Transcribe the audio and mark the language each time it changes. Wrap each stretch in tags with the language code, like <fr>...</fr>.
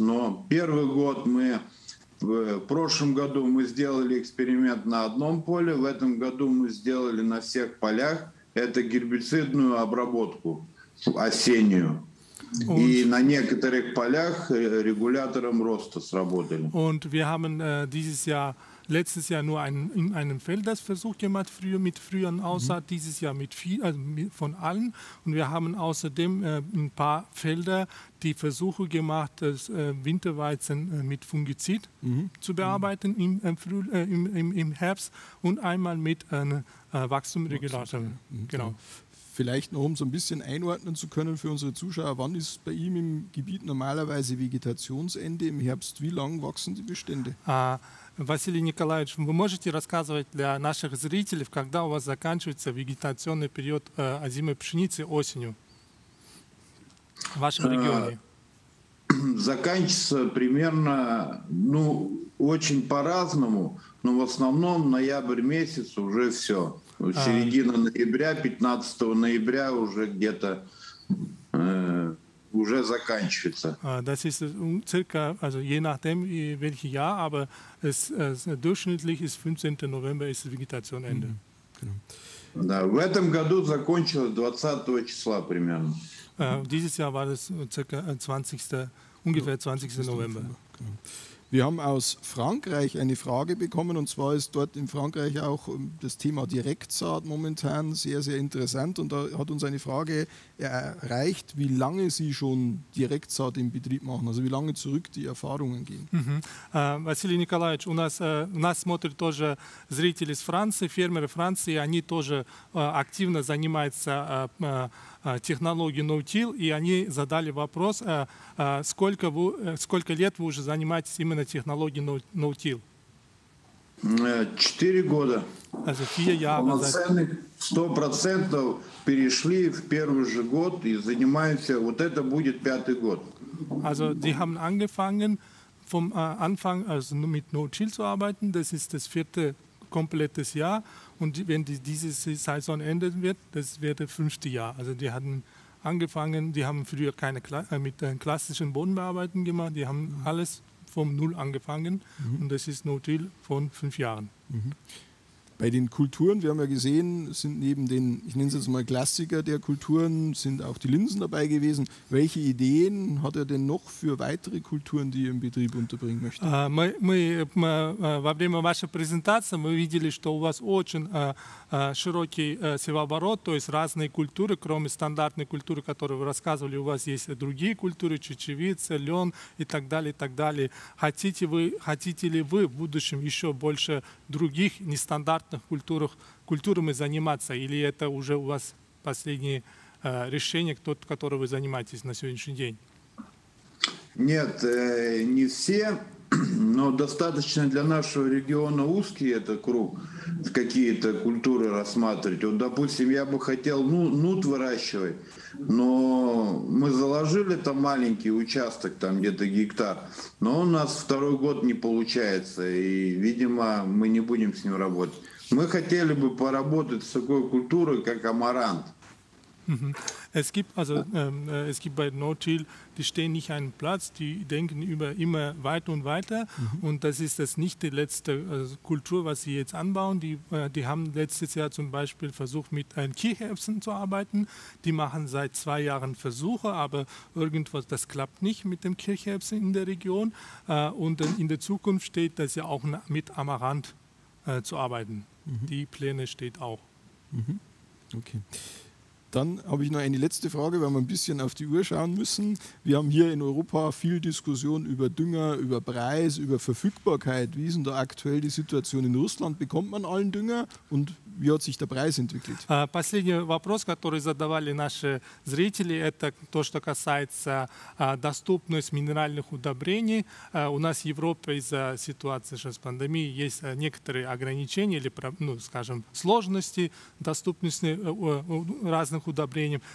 <ru>Но первый год мы в прошлом году мы сделали эксперимент на одном поле, в этом году мы сделали на всех полях это гербицидную обработку осеннюю. Und, и на некоторых полях регулятором роста сработали.</ru> <de>Und wir haben dieses Jahr, letztes Jahr nur in einem Feld das Versuch gemacht, früher mit früheren Aussaat, dieses Jahr mit viel, also mit, von allen. Und wir haben außerdem ein paar Felder die Versuche gemacht, das Winterweizen mit Fungizid zu bearbeiten im Herbst und einmal mit einem Wachstumsregulator. Genau. Vielleicht noch, um so ein bisschen einordnen zu können für unsere Zuschauer, wann ist bei ihm im Gebiet normalerweise Vegetationsende im Herbst? Wie lang wachsen die Bestände?</de> <ru>Василий Николаевич, вы можете рассказывать для наших зрителей, когда у вас заканчивается вегетационный период озимой пшеницы осенью в вашем регионе? Заканчивается примерно, ну, очень по-разному, но в основном ноябрь месяц уже все. Середина ноября, 15 ноября уже где-то уже заканчивается.</ru> <de>Das ist circa, also je nachdem, welches Jahr, aber durchschnittlich ist 15. November ist Vegetationende.</de> <ru>Да, в этом году закончилось 20 числа примерно.</ru> <de>Dieses Jahr war es circa 20. November. Wir haben aus Frankreich eine Frage bekommen, und zwar ist dort in Frankreich auch das Thema Direktsaat momentan sehr, sehr interessant. Und da hat uns eine Frage erreicht, wie lange Sie schon Direktsaat im Betrieb machen, also wie lange zurück die Erfahrungen gehen.</de> <ru>Василий Николаевич, у нас смотрят тоже зрители из Франции, фермеры Франции, они тоже активно занимаются технологии No-Till, и они задали вопрос, сколько лет вы уже занимаетесь именно технологией No-Till? 4 года.</ru> <de>Also 4 Jahre.</de> <ru>Полноценных 100% перешли в первый же год и занимаемся, вот это будет 5-й год.</ru> <de>Also die haben angefangen, vom Anfang also mit No-Till zu arbeiten, das ist das 4. komplettes Jahr, Und wenn die, diese Saison enden wird, das wäre das fünfte Jahr. Also die hatten angefangen, die haben früher keine mit klassischen Bodenbearbeiten gemacht, die haben alles vom Null angefangen und das ist No-Till von 5 Jahren. Bei den Kulturen, wir haben ja gesehen, sind neben den, ich nenne es jetzt mal Klassiker der Kulturen, sind auch die Linsen dabei gewesen. Welche Ideen hat er denn noch für weitere Kulturen, die er im Betrieb unterbringen möchte?</de> <ru>Во время вашей презентации мы видели, что у вас очень широкий севооборот, то есть разные культуры, кроме стандартной культуры, которую вы рассказывали, у вас есть другие культуры, чечевица, лен и так далее, и так далее. Хотите ли вы в будущем еще больше других нестандартных культурами заниматься, или это уже у вас последнее решение, которое вы занимаетесь на сегодняшний день? Нет, не все. Но достаточно для нашего региона узкий этот круг, какие-то культуры рассматривать. Вот, допустим, я бы хотел нут выращивать, но мы заложили там маленький участок, там где-то гектар, но у нас второй год не получается, и, видимо, мы не будем с ним работать. Мы хотели бы поработать с такой культурой, как амарант.</ru> <de>Es gibt also es gibt bei No-Till, die stehen nicht einen Platz, die denken über immer weiter und weiter und das ist das nicht die letzte Kultur, was sie jetzt anbauen. Die haben letztes Jahr zum Beispiel versucht, mit einem Kichererbsen zu arbeiten. Die machen seit 2 Jahren Versuche, aber irgendwas, das klappt nicht mit dem Kichererbsen in der Region und in der Zukunft steht, dass sie auch mit Amaranth zu arbeiten. Die Pläne steht auch. Okay. Dann habe ich noch eine letzte Frage, weil wir ein bisschen auf die Uhr schauen müssen. Wir haben hier in Europa viel Diskussion über Dünger, über Preis, über Verfügbarkeit. Wie ist denn da aktuell die Situation in Russland? Bekommt man allen Dünger und wie hat sich der Preis entwickelt?</de> <ru>Последний вопрос, который задавали наши зрители, это то, что касается доступности минеральных удобрений. У нас в Европе из-за ситуации сейчас пандемии есть некоторые ограничения или, ну, скажем, сложности доступности разных удобрений.</ru>